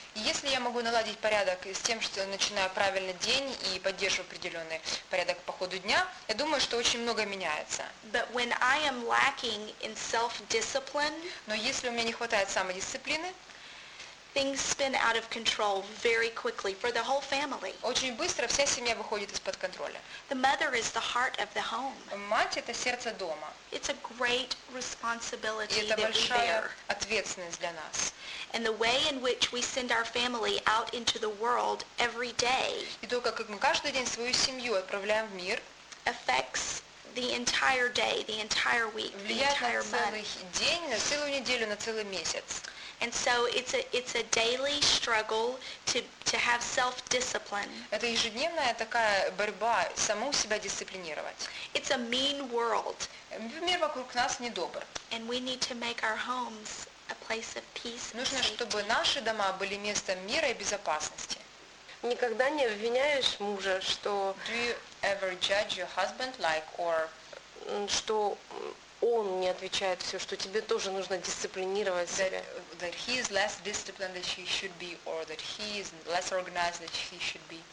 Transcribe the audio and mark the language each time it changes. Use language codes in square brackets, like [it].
[ru] Если я могу наладить порядок с тем, что начинаю правильно день и поддерживаю определенный порядок по ходу дня, я думаю, что очень много меняется. [en] But when I am lacking in self-discipline, [ru] но если у меня не хватает самодисциплины, [en] things spin out of control very quickly for the whole family. [ru] Очень быстро вся семья выходит из-под контроля. [en] The mother is the heart of the home. [ru] Мать — это сердце дома. [en] It's a great responsibility that we bear. [ru] И это большая ответственность для нас. [en] And the way in which we send our family out into the world every day. [ru] И то, как мы каждый день свою семью отправляем в мир, [en] affects the entire day, the entire week, the entire month. [ru] Влияет на целый день, на целую неделю, на целый месяц. [en] And so it's a daily struggle to have self-discipline. [ru] Это ежедневная такая борьба саму себя дисциплинировать. [en] It's a mean world. [ru] Мир вокруг нас недобр. [en] And we need to make our homes a place of peace. [ru] Нужно, чтобы наши дома были местом мира и безопасности. Никогда не обвиняешь мужа, что [en] Do you ever judge your husband like or [ru] что он не отвечает все, что тебе тоже нужно дисциплинировать себя. [en] That he is less disciplined than he should be, or that he is less organized than he should be.